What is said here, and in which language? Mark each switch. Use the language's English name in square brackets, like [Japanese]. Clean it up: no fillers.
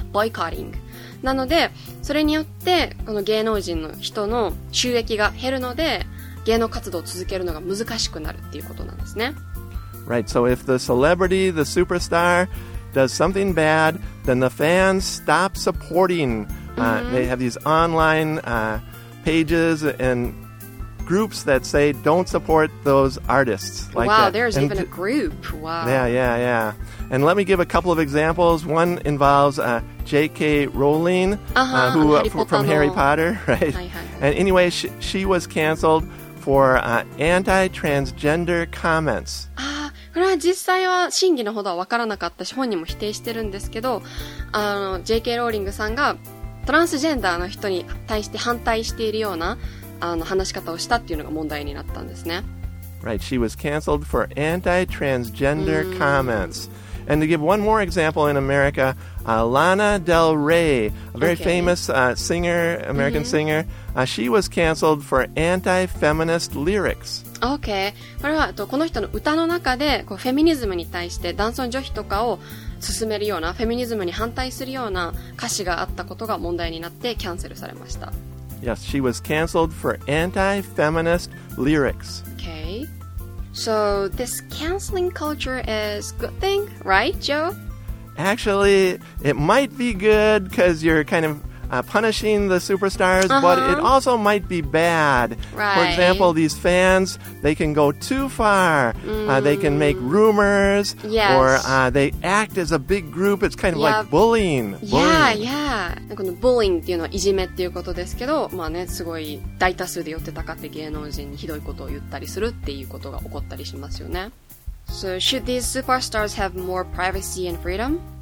[Japanese] ボイコーティングなのでそれによってこの芸能人の人の収益が減るので芸能活動を続けるのが難しくなるっていうことなんですね。 [English] Right, so if the celebrity, the superstarDoes something bad, then the fans stop supporting. Mm-hmm. They have these online pages and groups that say don't support those artists. Like wow, that. There's and even a group. Wow. Yeah, yeah, yeah. And let me give a couple of examples. One involves J.K. Rowling, who from Harry Potter, right? And anyway, she was canceled for anti-transgender comments. [Japanese] これは実際は真偽のほどは分からなかったし本人も否定してるんですけど、あの J.K. ローリングさんがトランスジェンダーの人に対して反対しているようなあの話し方をしたっていうのが問題になったんですね。 [English] Right, she was canceled for anti-transgender comments. And to give one more example in America, Lana Del Rey, a very famous singer, American singer, she was canceled for anti-feminist lyrics. [Japanese] OK これはこの人の歌の中でこうフェミニズムに対して男尊女卑とかを進めるようなフェミニズムに反対するような歌詞があったことが問題になってキャンセルされました [English] Yes, she was cancelled for anti-feminist lyrics OK So this cancelling culture is good thing, right, Joe? Actually, it might be good because you're kind ofpunishing the superstars, but it also might be bad. Right. For example, these fans, they can go too far. They can make rumors, yes. or they act as a big group. It's kind of like bullying. Yeah. [Japanese] この bullying っていうのはいじめっていうことですけど、まあね、すごい大多数で寄ってたかって芸能人にひどいことを言ったりするっていうことが起こったりしますよね。 [English] So should these superstars have more privacy and freedom?